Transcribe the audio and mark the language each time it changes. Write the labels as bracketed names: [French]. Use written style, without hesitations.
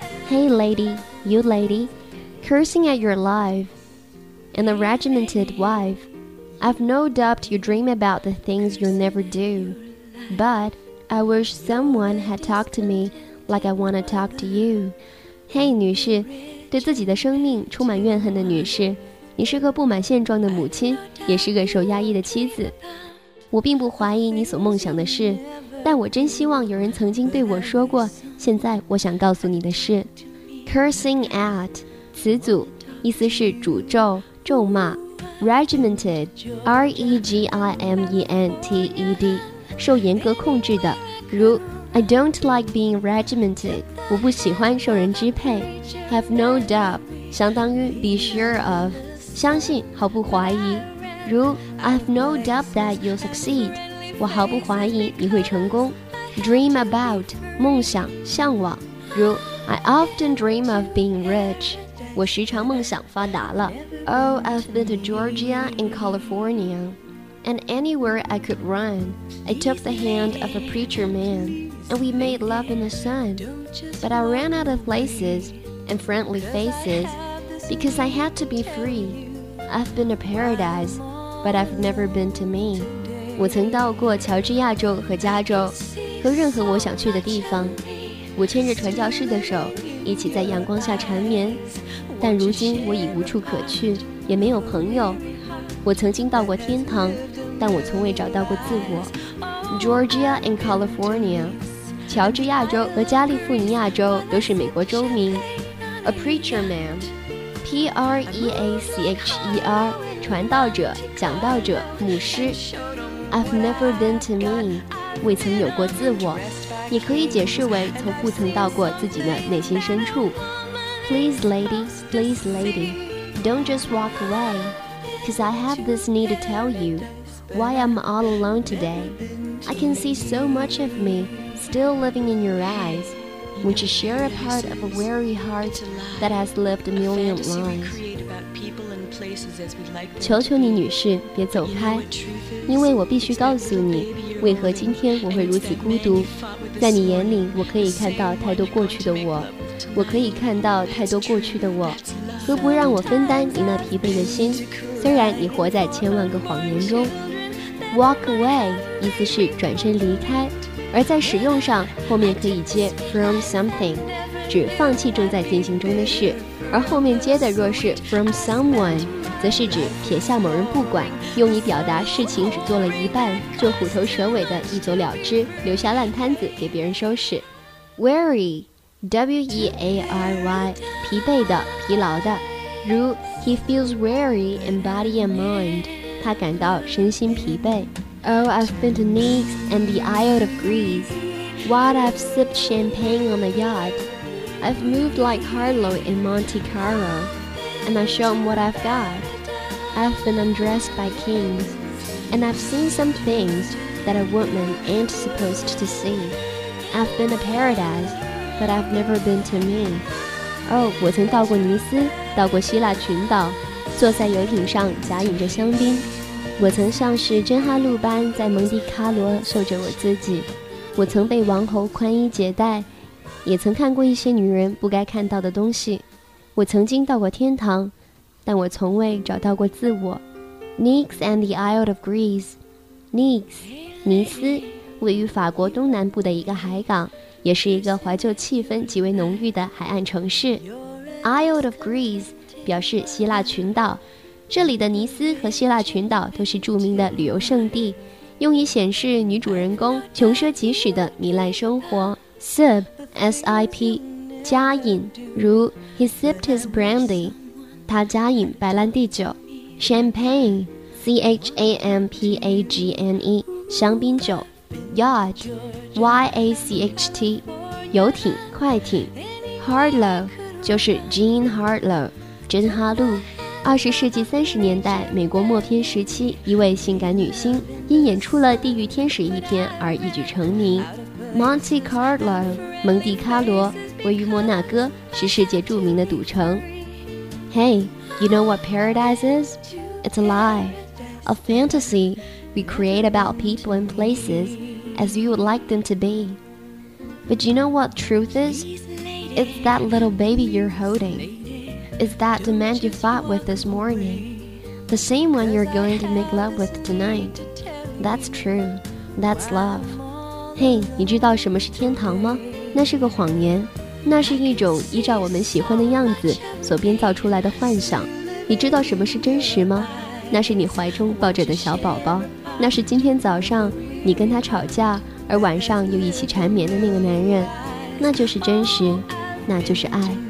[English] Hey lady, you lady, cursing at your life and a regimented wife, I've no doubt you dream about the things you'll never do, but I wish someone had talked to me like I want to talk to you. [Chinese] Hey 女士，对自己的生命充满怨恨的女士，你是个不满现状的母亲，也是个受压抑的妻子。我并不怀疑你所梦想的事，但我真希望有人曾经对我说过，现在我想告诉你的事。 Cursing at 词组，意思是诅咒、咒骂。 Regimented R-E-G-I-M-E-N-T-E-D 受严格控制的，如 [English] I don't like being regimented, [Chinese] 我不喜欢受人支配。 Have no doubt 相当于 [English] be sure of, [Chinese] 相信，毫不怀疑。如 [English] I have no doubt that you'll succeed, [Chinese] 我毫不怀疑你会成功。 Dream about, 梦想，向往。如 [English] I often dream of being rich, [Chinese] 我时常梦想发达了。 [English] Oh, I've been to Georgia and California, and anywhere I could run, I took the hand of a preacher man, and we made love in the sun. But I ran out of places and friendly faces, because I had to be freeI've been to paradise, but I've never been to me. [Chinese] 我曾到过乔治亚州和加州，和任何我想去的地方。我牵着传教士的手，一起在阳光下缠绵。但如今我已无处可去，也没有朋友。我曾经到过天堂，但我从未找到过自我。 Georgia and California, 乔治亚州和加利福尼亚州都是美国州名。 [English] A preacher man. [Chinese] P-R-E-A-C-H-E-R 传道者、讲道者、牧师。 [English] I've never been to me, [Chinese] 未曾有过自我，也可以解释为从不曾到过自己的内心深处。 [English] Please lady, please lady, don't just walk away, cause I have this need to tell you why I'm all alone today. I can see so much of me still living in your eyesWhen you share a part of a weary heart that has lived a million lives. [Chinese] 求求你女士别走开，因为我必须告诉你为何今天我会如此孤独。在你眼里我可以看到太多过去的我，我可以看到太多过去的我，何不让我分担你那疲惫的心，虽然你活在千万个谎言中。 Walk away 意思是转身离开，而在使用上后面可以接 from something, 指放弃正在进行中的事，而后面接的若是 from someone, 则是指撇下某人不管，用以表达事情只做了一半就虎头蛇尾的一走了之，留下烂摊子给别人收拾。 Weary, W-E-A-R-Y, 疲惫的、疲劳的。如 [English] He feels weary in body and mind, [Chinese] 他感到身心疲惫。 [English] Oh, I've been to Nice and the Isle of Greece, while I've sipped champagne on the yacht. I've moved like Carlo in Monte Carlo, and I show 'em what I've got. I've been undressed by kings, and I've seen some things that a woman ain't supposed to see. I've been to paradise, but I've never been to me. [Chinese] Oh, 我曾到过尼斯，到过希腊群岛，坐在游艇上假饮着香槟。我曾像是真哈路般在蒙迪卡罗受着我自己，我曾被王侯宽衣解带，也曾看过一些女人不该看到的东西。我曾经到过天堂，但我从未找到过自我。 [English] Nice and the Isle of Greece, [Chinese] Nice, 尼斯，位于法国东南部的一个海港，也是一个怀旧气氛极为浓郁的海岸城市。 Isle of Greece 表示希腊群岛，这里的尼斯和希腊群岛都是著名的旅游胜地，用以显示女主人公穷奢极侈的糜烂生活。 Sip, S-I-P, 加饮，如 [English] He sipped his brandy, [Chinese] 他加饮白兰地酒。 Champagne, C-H-A-M-P-A-G-N-E, 香槟酒。 Yacht, Y-A-C-H-T, 游艇、快艇。 Harlow, 就是 Jean Harlow, 真哈路，20世纪30年代美国默片时期一位性感女星，因演出了《地狱天使》一篇而一举成名。 Monte Carlo 蒙地卡罗，位于摩纳哥，是世界著名的赌城。 [English] Hey, you know what paradise is? It's a lie, a fantasy we create about people and places as you would like them to be. But do you know what truth is? It's that little baby you're holding. It's that demand you fought with this morning. The same one you're going to make love with tonight. That's true. That's love. [Chinese] Hey, 你知道什么是天堂吗？那是个谎言，那是一种依照我们喜欢的样子所编造出来的幻想。你知道什么是真实吗？那是你怀中抱着的小宝宝，那是今天早上你跟他吵架而晚上又一起缠绵的那个男人，那就是真实，那就是爱。